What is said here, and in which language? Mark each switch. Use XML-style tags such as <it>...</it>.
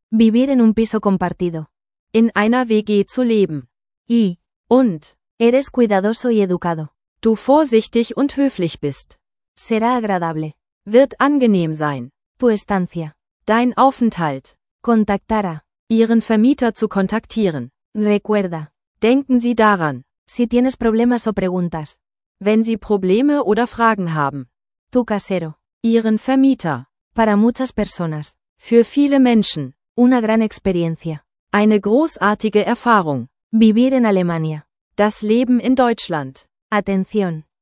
<es>Vivir en un piso compartido.</es> <de>In einer WG zu leben.</de> <es>Y.</es> <de>Und.</de> <es>Eres cuidadoso y educado.</es> <de>Du vorsichtig und höflich bist.</de> <es>Será agradable.</es> <de>Wird angenehm sein.</de> <es>Tu estancia.</es> <de>Dein Aufenthalt.</de> <es>Contactará.</es> <de>Ihren Vermieter zu kontaktieren.</de> <es>Recuerda.</es> <de>Denken Sie daran.</de> <es>Si tienes problemas o preguntas.</es> <de>Wenn Sie Probleme oder Fragen haben.</de> <es>Tu casero.</es> <de>Ihren Vermieter.</de> <es>Para muchas personas.</es> <de>Für viele Menschen.</de> <es>Una gran experiencia.</es> <de>Eine großartige Erfahrung.</de> <es>Vivir en Alemania.</es> <de>Das Leben in Deutschland.</de> <es>Atención.</es>